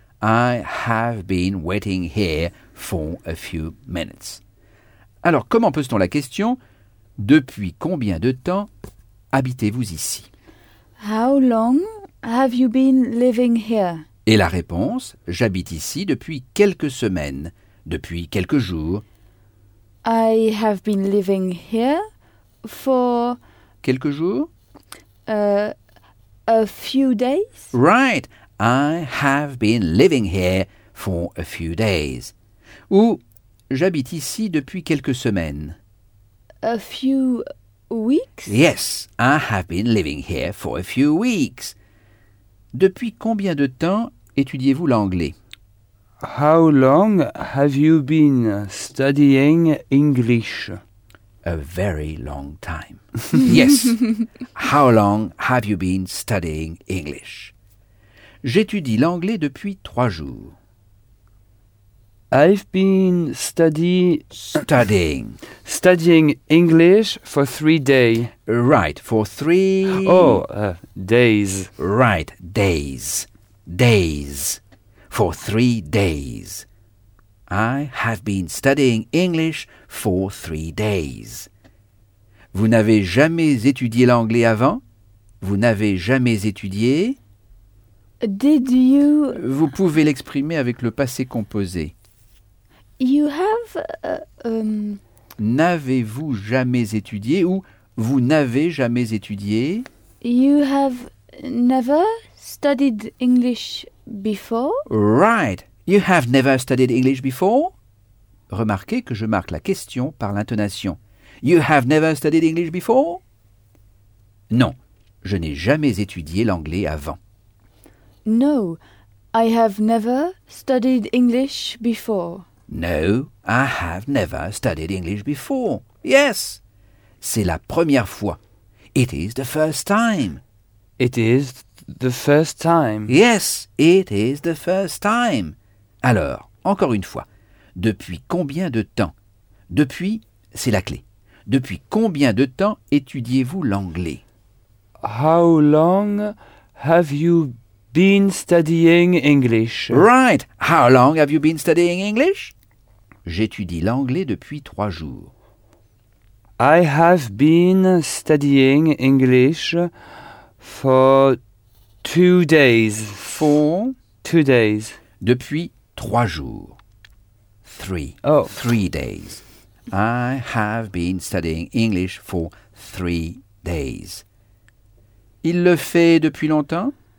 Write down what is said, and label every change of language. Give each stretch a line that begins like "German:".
English: I have been waiting here for a few minutes.
French: Alors, comment pose-t-on la question? Depuis combien de temps habitez-vous ici?
English: How long have you been living here?
French: Et la réponse, j'habite ici depuis quelques semaines, depuis quelques jours.
English: I have been living here for...
French: Quelques jours?
English: A few days. Right. I have been living here for a few days.
French: Ou, j'habite ici depuis quelques semaines.
English: A few weeks? Yes. I have been living here for a few weeks.
French: Depuis combien de temps étudiez-vous l'anglais?
English: How long have you been studying English? A very long time. Yes. How long have you been studying English?
French: J'étudie l'anglais depuis 3 jours.
English: I've been studying. Studying English for 3 days. Right, for three... Oh, days. Right, days. Days. For 3 days. I have been studying English for 3 days.
French: Vous n'avez jamais étudié l'anglais avant? Vous n'avez jamais étudié?
English: Did you...
French: Vous pouvez l'exprimer avec le passé composé.
English: You have...
French: N'avez-vous jamais étudié ou vous n'avez jamais étudié?
English: You have never studied English before? Right. You have never studied English before?
French: Remarquez que je marque la question par l'intonation.
English: You have never studied English before?
French: Non, je n'ai jamais étudié l'anglais avant.
English: No, I have never studied English before. No, I have never studied English before.
French: Yes, c'est la première fois.
English: It is the first time. It is the first time. Yes, it is the first time.
French: Alors, encore une fois, depuis combien de temps? Depuis, c'est la clé. Depuis combien de temps étudiez-vous l'anglais?
English: How long have you been studying English? Right. How long have you been studying English?
French: J'étudie l'anglais depuis 3 jours.
English: I have been studying English for 2 days. For? 2 days.
French: Depuis 3 jours. Three.
English: Oh. 3 days. I have been studying English for 3 days.
French: Il le fait depuis longtemps?